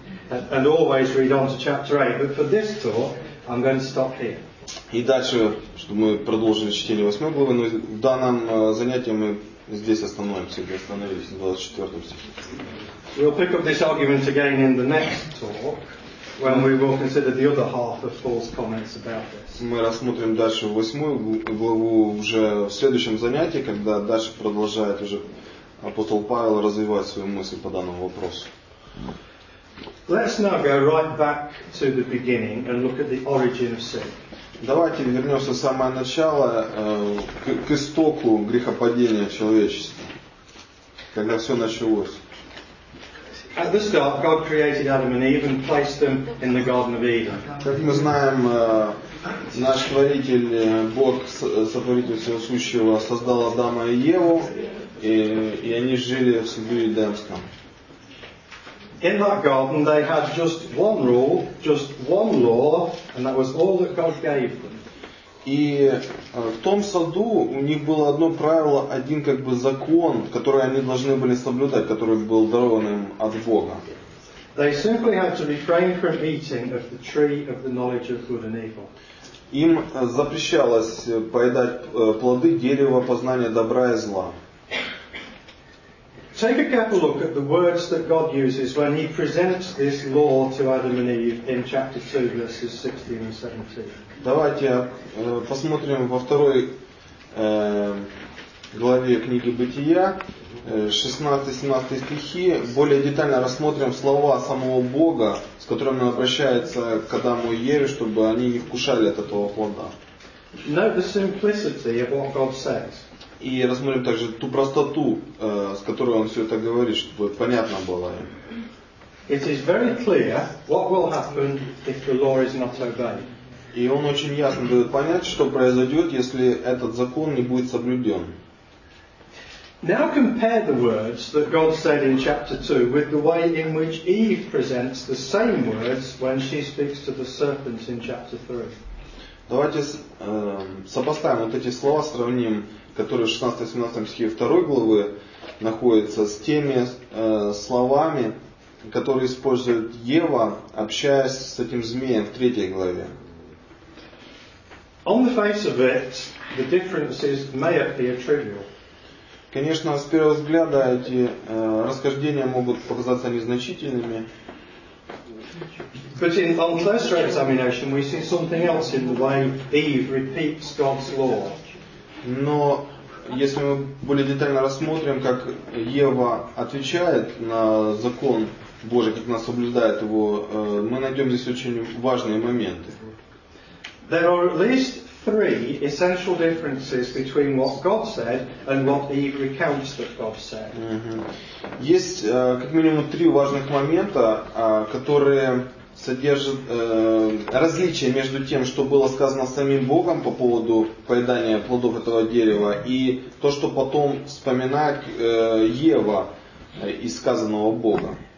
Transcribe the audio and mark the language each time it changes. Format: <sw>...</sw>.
<en>And always read on to chapter 8, but for this talk I'm going to stop here.</en> <ru>И дальше, чтобы мы продолжили чтение 8 главы, но в данном занятии мы здесь остановимся, где остановились на 24 стихе.</ru> <en>We'll pick up this argument again in the next talk, when we will consider the other half of Paul's comments about this.</en> <ru>Мы рассмотрим дальше 8 главу уже в следующем занятии, когда дальше продолжает уже апостол Павел развивать свою мысль по данному вопросу.</ru> <en>Let's now go right back to the beginning and look at the origin of sin.</en> <ru>Давайте вернемся в самое начало, к истоку грехопадения человечества, когда все началось.</ru> <en>At the start, God created Adam and Eve and placed them in the Garden of Eden.</en> <ru>Как мы знаем, наш Творитель, Бог, Сотворитель всего сущего, создал Адама и Еву, и они жили в саду Эдемском.</ru> <en>In that garden, they had just one rule, just one law, and that was all that God gave them.</en> <ru>И в том саду у них было одно правило, один как бы закон, который они должны были соблюдать, который был дарован им от Бога.</ru> <en>They simply had to refrain from eating of the tree of the knowledge of good and evil.</en> <ru>Им запрещалось поедать плоды дерева познания добра и зла.</ru> <en>Take a careful look at the words that God uses when He presents this law to Adam and Eve in chapter 2, verses 16 and 17.</en> <ru>Давайте посмотрим во второй главе книги Бытия, 16-17 стихи, более детально рассмотрим слова самого Бога, с которыми Он обращается к Адаму и Еве, чтобы они не вкушали от этого плода.</ru> <en>Note the simplicity of what God says.</en> <ru>И рассмотрим также ту простоту, с которой он все это говорит, чтобы понятно было им.</ru> <en>It is very clear what will happen if the law is not obeyed.</en> <ru>И он очень ясно дает понять, что произойдет, если этот закон не будет соблюден.</ru> <en>Now compare the words that God said in chapter 2 with the way in which Eve presents the same words when she speaks to the serpent in chapter 3.</en> <ru>Давайте сопоставим вот эти слова, сравним, которые в 16-17 стихе 2 главы находятся, с теми словами, которые использует Ева, общаясь с этим змеем в 3 главе.</ru> <en>On the face of it, the differences may appear trivial.</en> <ru>Конечно, с первого взгляда эти расхождения могут показаться незначительными.</ru> <en>But in on closer examination, we see something else in the way Eve repeats God's law.</en> <ru>Но если мы более детально рассмотрим, как Ева отвечает на закон Божий, как она соблюдает его, мы найдем здесь очень важные моменты.</ru> <en>There are at least three essential differences between what God said and what Eve recounts that God said.</en> <ru>Есть как минимум три важных момента, которые содержит различие между тем, что было сказано самим Богом по поводу поедания плодов этого дерева, и то, что потом вспоминает Ева из сказанного Бога.</ru>